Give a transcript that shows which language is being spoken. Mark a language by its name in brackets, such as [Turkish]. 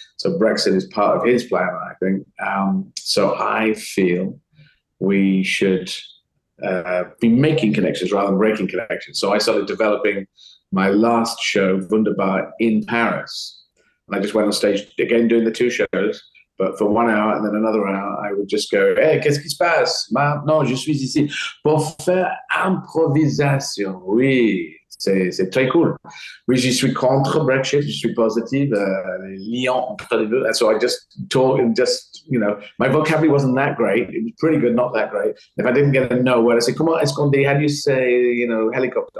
[English] So Brexit is part of his plan, I think. So I feel we should be making connections rather than breaking connections. So I started developing my last show, Wunderbar, in Paris. And I just went on stage again doing the two shows, but for 1 hour, and then another hour, I would just go, [French] hey, qu'est-ce qui se passe? Maintenant, je suis ici pour faire improvisation. Oui, c'est très cool. Oui, je suis contre Brexit, je suis positive. [English] Lyon, and so I just talk and just, you know, my vocabulary wasn't that great. It was pretty good, not that great. If I didn't get a no word, I say, [French] comment est-ce qu'on dit? [English] How do you say, you know, helicopter?